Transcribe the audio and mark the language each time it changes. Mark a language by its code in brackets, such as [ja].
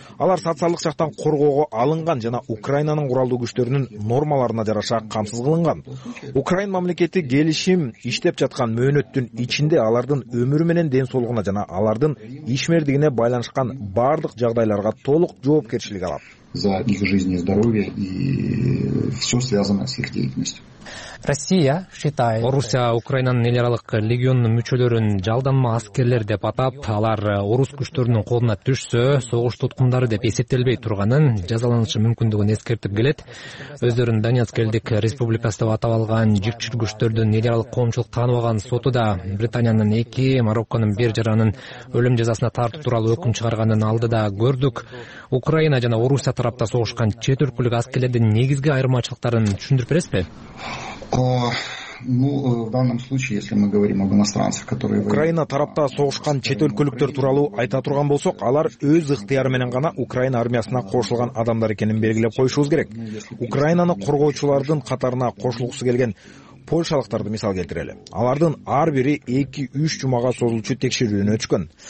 [ky] Алар социалдык жактан коргоого алынган жана Украинанын куралдуу күчтөрүнүн нормаларына жараша камсыз кылынган. Украин мамлекети келишим иштеп жаткан мөөнөттүн ичинде алардын өмүрү менен ден соолугуна жана алардын ишмердигине байланышкан бардык жагдайларга толук жоопкерчилик алат. [ru] За их жизнь и здоровье и все связанное с их деятельностью. Россия считает. [ky] Орусия Украинанын эл аралык легионунун мүчөлөрүн жалданма аскерлер деп атап, алар орус күчтөрүнүн колуна түшсө, согуш туткундары деп эсептелбей турганын, жазаланышы мүмкүндүгүн эскертип келет. Өздөрүн Донецк элдик республикасы деп атап алган жүкчү күчтөрдүн эл аралык коомчулук тааныбаган соту да Британиянын 2, Марокконун 1 жаранын өлүм жазасына тартып тууралуу өкүм чыгарганын алдыда көрдүк. Украина жана Орусия тарапта согушкан чет өлкөлүк аскерлердин негизги айырмачылыктарын түшүндүрүп бересизби? [ru] В данном случае, если мы говорим об иностранцах, которые... [ky] Украина тарапта согушкан чет өлкөлүктөр тууралуу айта турган болсок, алар өз ыктыяры менен гана Украина армиясына кошулган адамдар экенин белгилеп коюшубуз керек. Украинаны коргоочулардын катарына кошулгусу келген польшалыктарды мисал келтирели. Алардын ар бири 2-3 жумага созулчу текшерүүнү өтүшкөн.